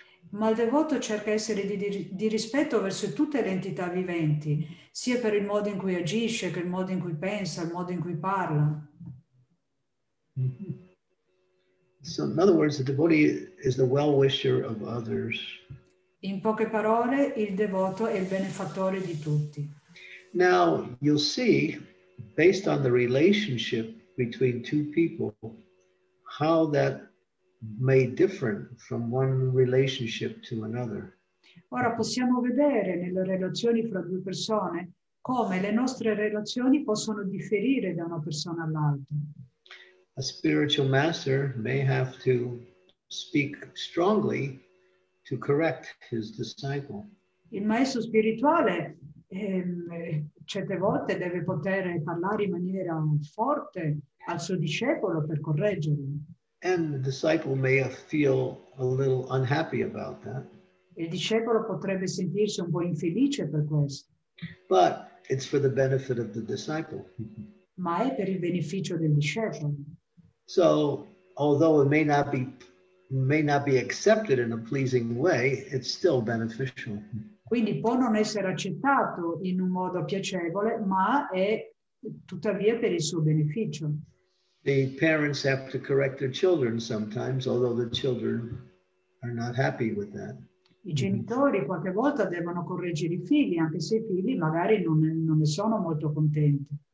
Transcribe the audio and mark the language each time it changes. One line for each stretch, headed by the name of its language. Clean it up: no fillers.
Italian: Ma il devoto cerca essere di rispetto verso tutte le entità viventi, sia per il modo in cui agisce, che il modo in cui pensa, il modo in cui parla. Mm-hmm.
English: So in other words, the devotee is the well-wisher of others.
Italian: In poche parole, il devoto è il benefattore di tutti.
English: Now, you'll see, based on the relationship between two people, how that may differ from one relationship to another.
Italian: Ora possiamo vedere nelle relazioni fra due persone come le nostre relazioni possono differire da una persona all'altra.
English: A spiritual master may have to speak strongly to correct his disciple.
Italian: Il maestro spirituale certe volte deve poter parlare in maniera forte al suo discepolo per correggerlo.
English: And the disciple may feel a little unhappy about that.
Italian: Il discepolo potrebbe sentirsi un po' infelice per questo.
English: But it's for the benefit of the disciple.
Italian: Ma è per il beneficio del discepolo.
English: So, although it may not be accepted in a pleasing way, it's still beneficial.
Italian: Quindi può non essere accettato in un modo piacevole, ma è tuttavia per il suo beneficio.
English: The parents have to correct their children sometimes, although the children are not happy with that.
Italian: I genitori qualche volta devono correggere i figli, anche se i figli magari non ne sono molto contenti.